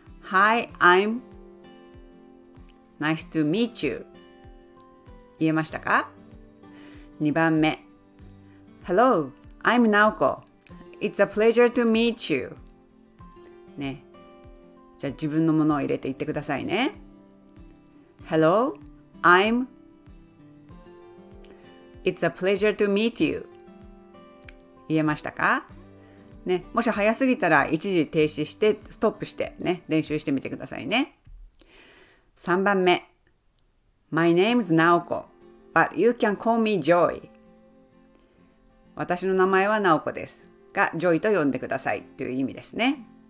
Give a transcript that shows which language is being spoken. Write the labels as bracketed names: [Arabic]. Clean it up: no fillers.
[English] Hi, I'm Nice to meet you. [Japanese] 言えましたか？ 2番目、 [English] Hello, I'm Naoko. It's a pleasure to meet you. [Japanese] ね、じゃあ自分のものを入れて言ってくださいね。 [English] Hello, I'm It's a pleasure to meet you. [Japanese] 言えましたか？ね、もし早すぎたら一時停止してストップしてね、練習してみてくださいね。 3番目、 [English] My name is Naoko, but you can call me Joy. [Japanese] 私の名前はナオコですが、ジョイと呼んでくださいという意味ですね。